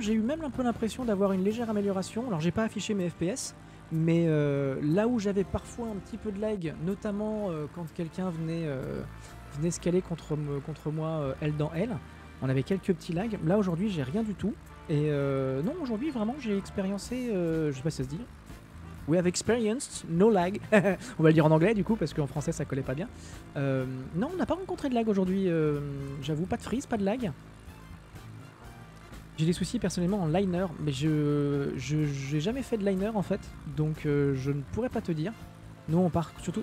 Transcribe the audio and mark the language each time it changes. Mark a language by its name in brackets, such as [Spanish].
[French] J'ai eu même un peu l'impression d'avoir une légère amélioration. Alors j'ai pas affiché mes FPS, mais là où j'avais parfois un petit peu de lag, notamment quand quelqu'un venait scaler contre moi, elle dans elle, on avait quelques petits lags. Là aujourd'hui, j'ai rien du tout. Et non, aujourd'hui, vraiment, j'ai expériencé, je sais pas si ça se dit, [English] We have experienced no lag. [French] On va le dire en anglais du coup, parce qu'en français ça collait pas bien. Non, on n'a pas rencontré de lag aujourd'hui, j'avoue, pas de freeze, pas de lag. J'ai des soucis personnellement en liner, mais j'ai jamais fait de liner en fait, donc je ne pourrais pas te dire. Nous on part surtout...